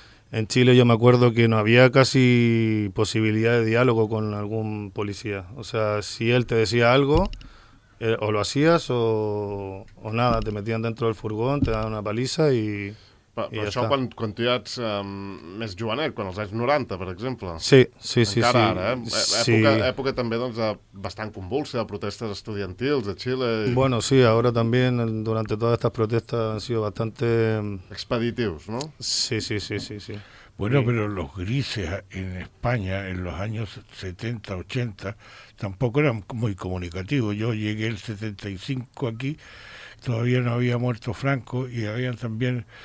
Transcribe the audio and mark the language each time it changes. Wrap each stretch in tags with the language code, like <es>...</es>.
<es>En Chile yo me acuerdo que no había casi posibilidad de diálogo con algún policía. O sea, si él te decía algo, o lo hacías o nada, te metían dentro del furgón, te daban una paliza y...</es> <ca>Però ja això està. Quan tu ja ets més jovenet, quan els anys 90, per exemple. Sí. Encara sí, ara, eh? Època també doncs, bastant convulsa, de protestes estudiantils de Xile. I...</ca> <es>Bueno, sí, ahora también, durante todas estas protestas, han sido bastante...</es> <ca>Expeditius, no?</ca> <es>Sí. Bueno, sí. Pero los grises en España, en los años 70, 80, tampoco eran muy comunicativos. Yo llegué el 75 aquí, todavía no había muerto Franco, y habían también...</es>